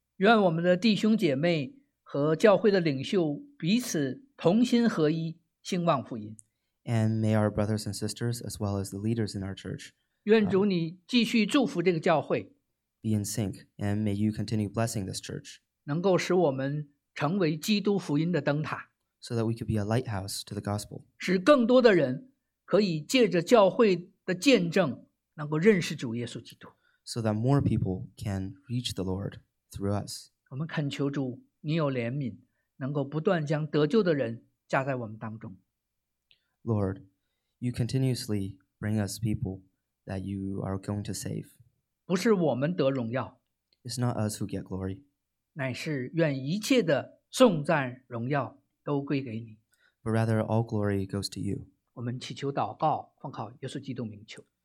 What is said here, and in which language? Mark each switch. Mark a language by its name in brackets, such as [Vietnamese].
[Chinese] 愿我们的弟兄姐妹和教会的领袖彼此同心合一，兴旺福音。 [English] And may our brothers and sisters as well as the leaders in our church. [Chinese] 愿主你继续祝福这个教会。 [English] Be in sync, and may you continue blessing this church. [Chinese] 能够使我们成为基督福音的灯塔。 [English] So that we could be a lighthouse to the gospel. [Chinese] 使更多的人可以借着教会的见证能够认识主耶稣基督。 [English] So that more people can reach the Lord through us. [Chinese] 我们恳求主你有怜悯，能够不断将得救的人加在我们当中。 [English] Lord, you continuously bring us people that you are going to save. [Chinese] 不是我们得荣耀。 [English] It's not us who get glory. [Chinese] 乃是愿一切的颂赞荣耀都归给你。 [English] But rather all glory goes to you. [Chinese] 我们祈求祷告，奉靠耶稣基督名求。